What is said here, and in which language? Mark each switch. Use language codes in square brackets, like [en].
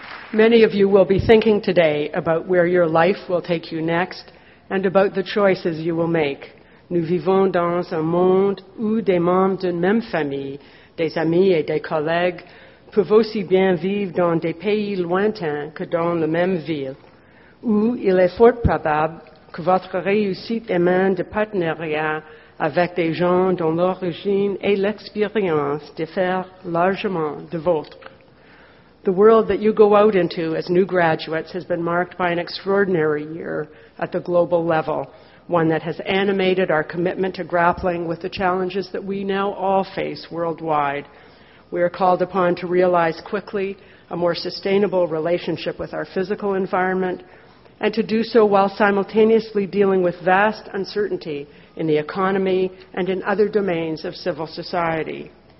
[en] Many of you will be thinking today about where your life will take you next and about the choices you will make. [fr] Nous vivons dans un monde où des membres d'une même famille, des amis et des collègues, peuvent aussi bien vivre dans des pays lointains que dans la même ville, où il est fort probable que votre réussite émane de partenariats avec des gens dont l'origine et l'expérience diffèrent largement de vôtre. [en] The world that you go out into as new graduates has been marked by an extraordinary year at the global level, one that has animated our commitment to grappling with the challenges that we now all face worldwide. We are called upon to realize quickly a more sustainable relationship with our physical environment and to do so while simultaneously dealing with vast uncertainty in the economy and in other domains of civil society.